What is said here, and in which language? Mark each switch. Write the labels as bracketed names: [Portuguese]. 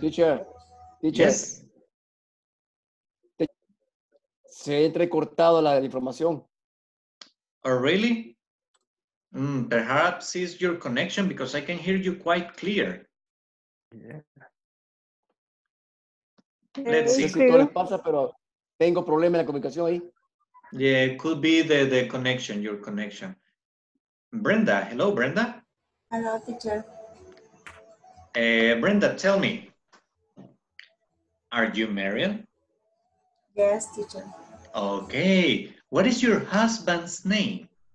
[English] Teacher. Yes. [Spanish] Se ha entrecortado la información. [English] Oh, really? Perhaps it's your connection because I can hear you quite clear. Yeah. Let's see. [Spanish] Sí, todo les pasa, pero tengo problema en la comunicación ahí. [English] Yeah, it could be the connection, your connection. Brenda, hello, Brenda. Hello, teacher. Brenda, tell me, are you married? Yes, teacher. Okay, what is your husband's name?